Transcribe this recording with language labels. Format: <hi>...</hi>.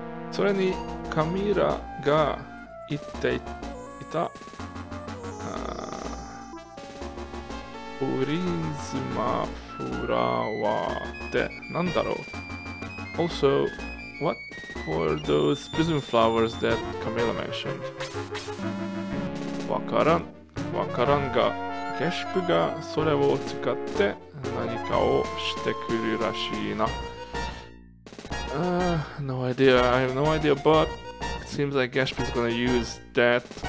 <ja>それにカミラが言っていた。ウリンズマフラワーってなんだろう。</ja> <en>Also, what were those prism flowers that Camilla mentioned?</en> <ja>わからん。わからんが、ゲシプがそれを使って何かをしてくるらしいな。</ja> <en>No idea. I have no idea, but it seems like ゲシプ is gonna use that.</en>